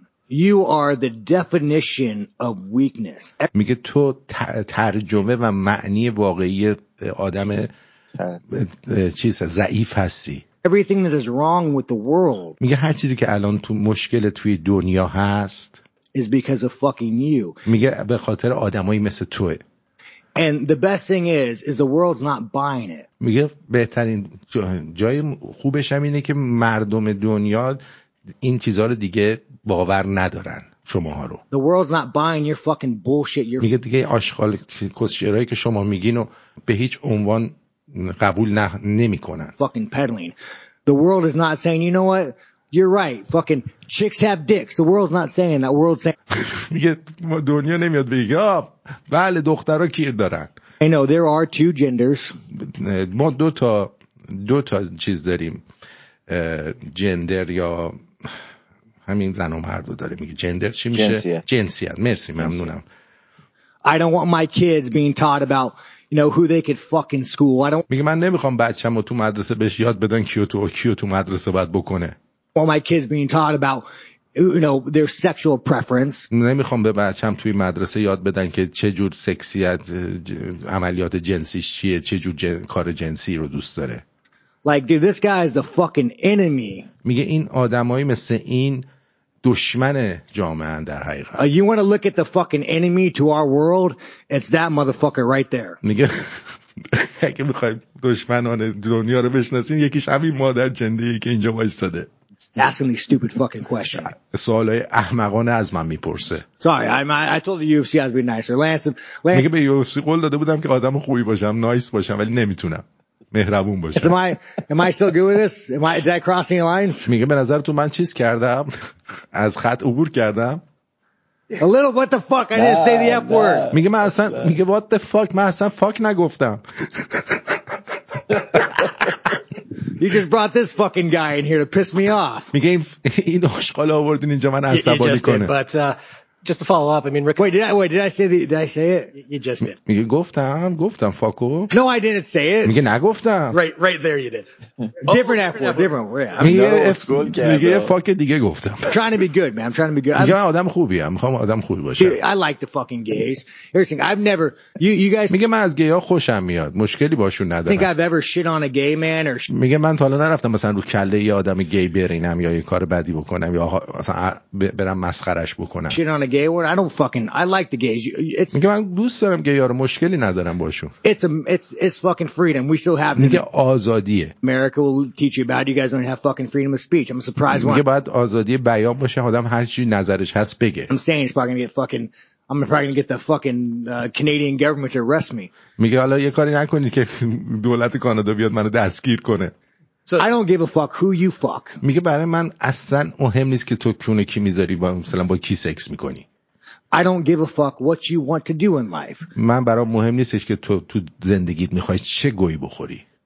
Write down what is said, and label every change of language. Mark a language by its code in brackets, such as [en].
[en] You are the definition of weakness. [fa] میگه تو ترجمه و معنی واقعی آدم چیز ضعیف هستی. [en] Everything that is wrong with the world. [fa] میگه هر چیزی که الان تو مشکل توی دنیا هست [en] is because of fucking you. [fa] میگه به خاطر آدمای مثل توه. [en] And the best thing is the world's not buying it. [fa] میگه بهترین جای خوبش هم اینه که مردم دنیا این چیزها رو دیگه باور ندارن شماها رو. [en] The world's not buying your fucking bullshit. You're... [fa] میگه دیگه آشغال کسشرهایی که شما میگین و به هیچ عنوان قبول نمی کنن. [en] Fucking peddling. The world is not saying, you know what? You're right. Fucking chicks have dicks. The world's not saying that. World's saying. [fa] میگه دنیا نمیاد بگه بله دخترها کیر دارن. [en] I know there are two genders. [fa] ما دو تا چیز داریم. جندر یا همین زن و مرد رو داره میگه جندر چی میشه؟ جنسیت. مرسی ممنونم. [en] I don't want my kids being taught about, you know, who they could fuck in school. I don't. [fa] میگه من نمیخوام بچه‌مو تو مدرسه بهش یاد بدن کیو تو مدرسه باید بکنه. [en] Well, my kids being taught about, you know, their sexual preference. [fa] نمیخوام به بچه‌م توی مدرسه یاد بدن که چه جور سکسیت عملیات جنسیش چیه، چه جور کار جنسی رو دوست داره. [en] Like, dude, this guy is a fucking enemy. [fa] میگه این آدمایی مثل این دشمن جامعه ان در حقیقت. [en] You want to look at the fucking enemy to our world? It's that motherfucker right there. [fa] میگه اگه میخوای دشمنان دنیا رو بشناسین یکیش همین مادر جندیه که اینجا وایساده. [en] Asking these stupid fucking questions. [fa] سوالای احمقانه از من میپرسه. [en] Sorry, I told the UFC I'd be nicer. Lance. [fa] میگه به UFC قول داده بودم که آدم خوبی باشم، نایس باشم، ولی نمیتونم. مهربون باشه. [en] Am I still good with this? Did I cross any lines? [fa] میگه به نظر تو من چیز کردم؟ از خط عبور کردم؟ [en] A little, what the fuck? I didn't say the F word. [fa] میگه من اصلا میگه [en] what the fuck? [fa] من اصلا fuck نگفتم. [en] You just brought this fucking guy in here to piss me off. [fa] میگه این آشغال آوردین اینجا من عصبانی کنه. [en] Just to follow up, I mean, Rick. Wait, did I say it? You just did. [fa] میگه گفتم فاکو. [en] No, I didn't say it. [fa] میگه نگفتم. [en] Right there you did. Different effort, different way. [fa] میگه فاک دیگه گفتم. [en] Trying to be good, man. I'm trying to be good. [fa] میگه آدم خوبی ام. میخوام آدم خوبی باشم. [en] I like the fucking gays. Everything. I've never. You guys. [fa] میگه من از گیا خوشم میاد. مشکلی باشون ندارم. [en] Think I've ever shit on a gay man or. [fa] میگه من تا حالا نرفتم مثلا رو کله یه آدم گی برینم یا یه کار بدی بکنم یا مثلا برم مسخرش بکنم. [en] Gay word. I don't fucking. I like the gays. It's. [fa] میگم من دوست دارم گیا رو، مشکلی ندارم باشون. [en] It's fucking freedom. We still have. [fa] میگه آزادیه. [en] America will teach you about. You guys don't have fucking freedom of speech. I'm surprised. [fa] میگه باید آزادی بیان باشه. آدم هر چی نظرش هست بگه. [en] I'm saying it's probably gonna get fucking. I'm probably gonna get the fucking Canadian government to arrest me. [fa] میگه حالا یه کاری نکنید که دولت کانادا بیاد منو دستگیر کنه. [en] So I don't give a fuck who you fuck. [fa] میگه برای من اصلا مهم نیست که تو کونه کی میذاری با مثلا با کی سکس میکنی. [en] I don't give a fuck what you want to do in life. [fa] من برای مهم نیستش که تو زندگیت میخوای چه گویی بخوری.